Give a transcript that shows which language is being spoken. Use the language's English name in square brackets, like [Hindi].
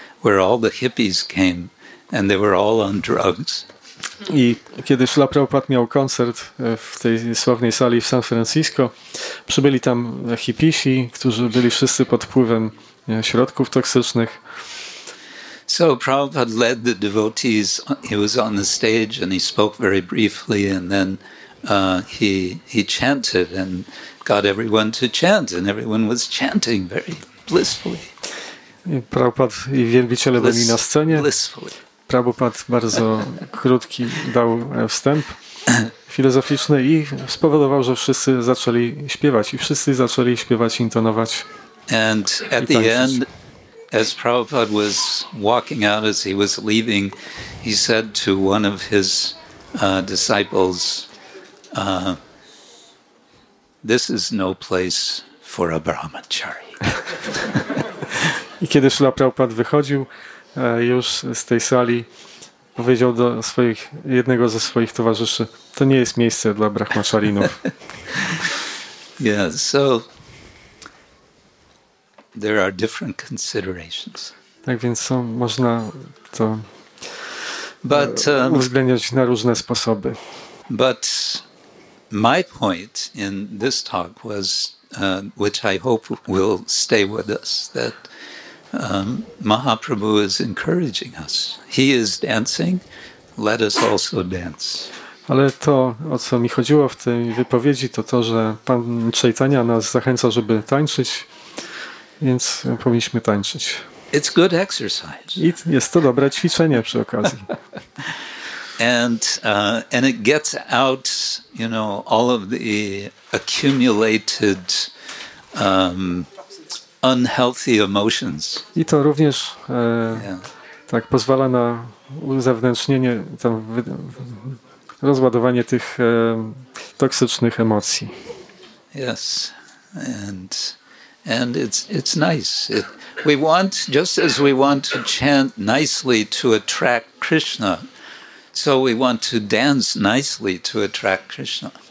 [English] where all the hippies came and they were all on drugs. [Polish] I kiedy Śrīla Prabhupāda miał koncert w tej sławnej sali w San Francisco, przybyli tam hippisi, którzy byli wszyscy pod wpływem środków toksycznych. [English] So Prabhupada led the devotees. He was on the stage and he spoke very briefly, and then he chanted and got everyone to chant, and everyone was chanting very blissfully. [Polish] Prabhupada i wielbiciele byli na scenie. Prabhupada bardzo krótki dał wstęp filozoficzny i spowodował, że wszyscy zaczęli śpiewać i wszyscy zaczęli śpiewać, intonować. [English] And at the end, as Prabhupada was walking out, as he was leaving, he said to one of his disciples, "This is no place for a brahmachari." [Polish] I kiedy Śrīla Prabhupada wychodził już z tej sali, powiedział do jednego ze swoich towarzyszy, to nie jest miejsce dla brahmacharinów. [English] Yeah, so there are different considerations. [Polish] Tak więc można to uwzględniać na różne sposoby. [English] But my point in this talk was, which I hope will stay with us, that Mahaprabhu is encouraging us. He is dancing, let us also dance. [Polish] Ale to, o co mi chodziło w tej wypowiedzi, to, że Pan Chaitanya nas zachęca, żeby tańczyć, więc powinniśmy tańczyć. [English] It's good exercise. [Polish] I jest to dobre ćwiczenie przy okazji. [English] And it gets out, you know, all of the accumulated unhealthy emotions. [Polish] I to również tak pozwala na uzewnętrznienie, tam rozładowanie tych toksycznych emocji. [English] Yes, and it's nice. We want, just as we want to chant nicely to attract Krishna, so we want to dance nicely to attract Krishna.